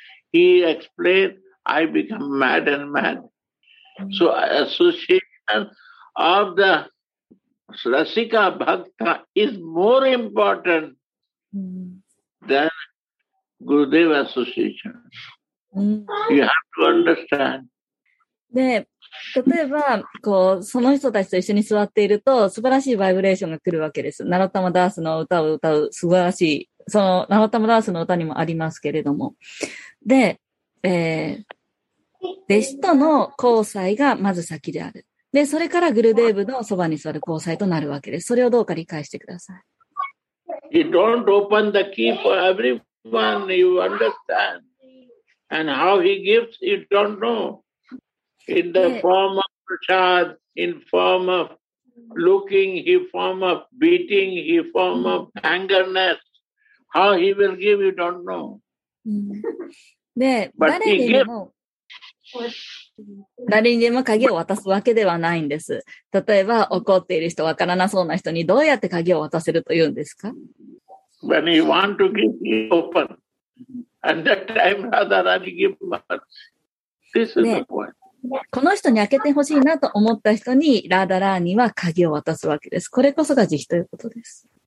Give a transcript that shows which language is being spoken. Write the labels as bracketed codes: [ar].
[en] He explained, I become mad and mad. So association of the Rasika Bhakta is more important than Gurudev association. You have to understand. [ja] で、例えば、こう、その人たちと一緒に座っていると、素晴らしいバイブレーションが来るわけです。ナロタマダースの歌を歌う、素晴らしい。そのナロタマダースの歌にもありますけれども。で、弟子との交際がまず先である。で、それからグルデーブのそばに座る交際となるわけです。それをどうか理解してください。 [en] He don't open the key for everyone. one you understand. And how he gives, you don't know. In the form of prasad, in form of looking, in form of beating, in form of angerness. How he will give, you don't know. But he gives. [ja] 誰にでも鍵を渡すわけではないんです。例えば怒っている人、わからなそうな人にどうやって鍵を渡せるというんですか？ [en] When he want to give me open, at that time Radharani give much. This is the point. [ja] この人に開けてほしいなと思った人にラダラーニは鍵を渡すわけです。これこそが慈悲ということです。